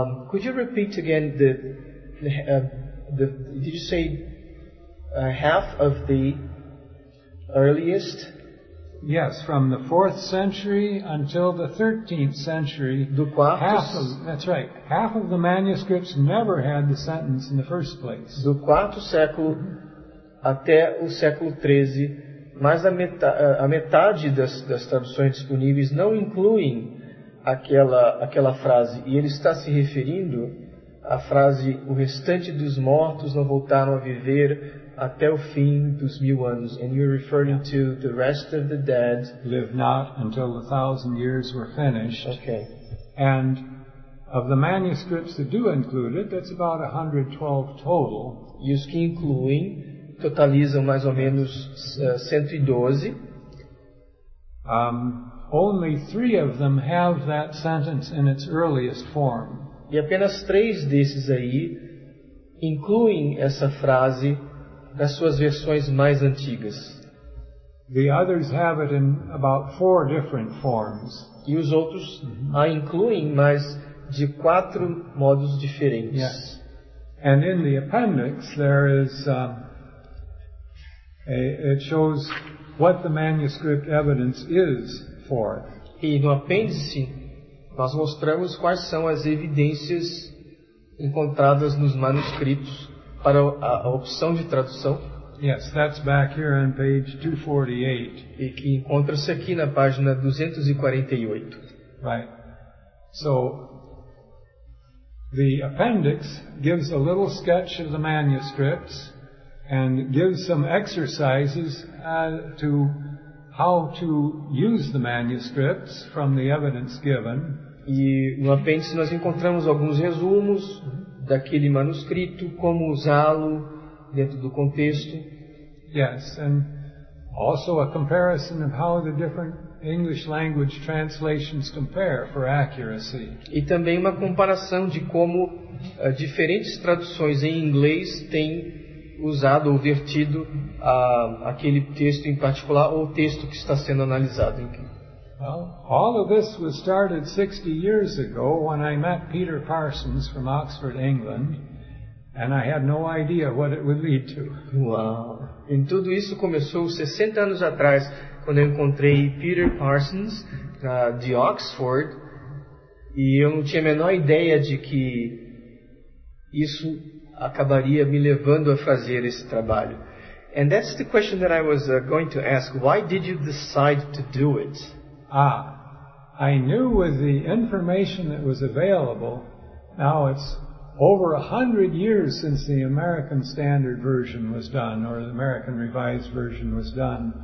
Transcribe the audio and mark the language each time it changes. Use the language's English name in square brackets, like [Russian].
[English] Could you repeat again did you say half of the earliest? Yes, from the 4th century until the 13th century. [Portuguese] Do quarto? [English] That's right. Half of the manuscripts never had the sentence in the first place. [Portuguese] Do quarto século até o século 13, mas a metade das traduções disponíveis não incluem aquela frase. E ele está se referindo à frase: o restante dos mortos não voltaram a viver até o fim dos mil anos. [English] And you're referring to the rest of the dead lived not until the 1,000 years were finished. Okay. And of the manuscripts that do include it, that's about 112 total. [Portuguese] E os que incluem totalizam mais ou menos 112. [English] Only 3 of them have that sentence in its earliest form. [Portuguese] E apenas 3 desses aí incluem essa frase nas suas versões mais antigas. [English] The others have it in about 4 different forms. [Portuguese] E os outros a incluem, mas de 4 modos diferentes. [English] Yes. And in the appendix there is it shows what the manuscript evidence is for. [Portuguese] E no apêndice nós mostramos quais são as evidências encontradas nos manuscritos para a opção de tradução. [English] Yes, that's back here on page 248. [Portuguese] E que encontra-se aqui na página 248. [English] Right. So the appendix gives a little sketch of the manuscripts and gives some exercises to how to use the manuscripts from the evidence given. [Portuguese] E no apêndice nós encontramos alguns resumos daquele manuscrito, como usá-lo dentro do contexto. [English] Yes, and also a comparison of how the different English language translations compare for accuracy. [Portuguese] E também uma comparação de como diferentes traduções em inglês têm usado ou vertido aquele texto em particular, ou o texto que está sendo analisado. [English] Well, all of this was started 60 years ago when I met Peter Parsons from Oxford, England, and I had no idea what it would lead to. Wow. [Portuguese] E tudo isso começou 60 anos atrás, quando eu encontrei Peter Parsons de Oxford, e eu não tinha a menor ideia de que isso acabaria me levando a fazer esse trabalho. [English] And that's the question that I was going to ask. Why did you decide to do it? Ah, I knew with the information that was available, now it's over 100 years since the American Standard Version was done, or the American Revised Version was done.